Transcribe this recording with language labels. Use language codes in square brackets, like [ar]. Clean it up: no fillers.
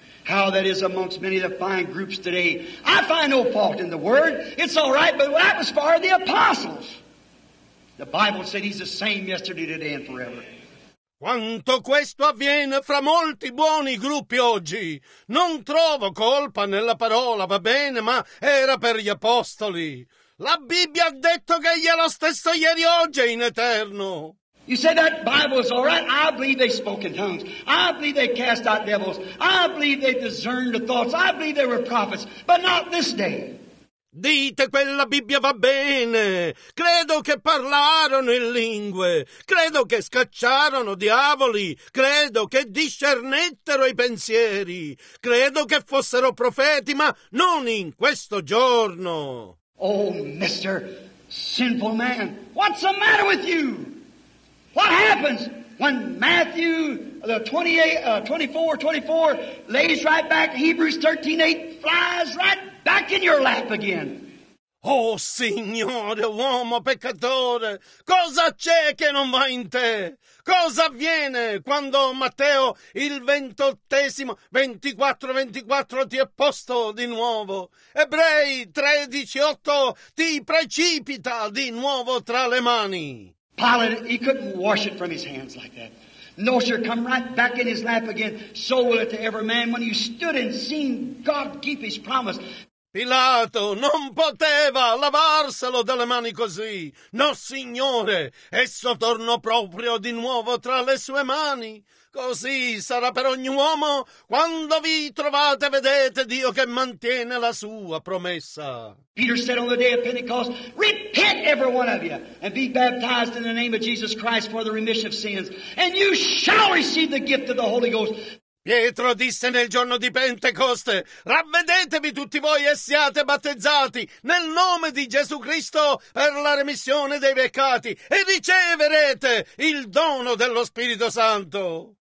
[en] How that is amongst many of the fine groups today. I find no fault in the word. It's all right, but that was for the apostles. The Bible said he's the same yesterday, today, and forever. [it] Quanto questo avviene fra molti buoni gruppi oggi. Non trovo colpa nella parola, va bene, ma era per gli apostoli. La Bibbia ha detto che egli è lo stesso ieri, oggi e in eterno. [en] You say that Bible is all right. I believe they spoke in tongues. I believe they cast out devils. I believe they discerned the thoughts. I believe they were prophets, but not this day. [it] Dite quella Bibbia va bene. Credo che parlarono in lingue. Credo che scacciarono diavoli. Credo che discernettero i pensieri. Credo che fossero profeti, ma non in questo giorno. [en] Oh, Mr. Sinful Man, what's the matter with you? What happens when Matthew 24:24 lays right back, Hebrews 13:8 flies right back in your lap again? [it] Oh, Signore, uomo peccatore, cosa c'è che non va in te? Cosa avviene quando Matteo il 28:24 ti è posto di nuovo? Ebrei 13:8 ti precipita di nuovo tra le mani. [en] Pilate, he couldn't wash it from his hands like that. No, sir, come right back in his lap again. So will it to every man when you stood and seen God keep his promise. [it] Pilato non poteva lavarselo dalle mani così. No, Signore, esso tornò proprio di nuovo tra le sue mani. Così sarà per ogni uomo quando vi trovate, vedete Dio che mantiene la sua promessa. [en] Peter said on the day of Pentecost, repent every one of you and be baptized in the name of Jesus Christ for the remission of sins, and you shall receive the gift of the Holy Ghost. [it] Pietro disse nel giorno di Pentecoste, ravvedetevi tutti voi e siate battezzati nel nome di Gesù Cristo per la remissione dei peccati e riceverete il dono dello Spirito Santo.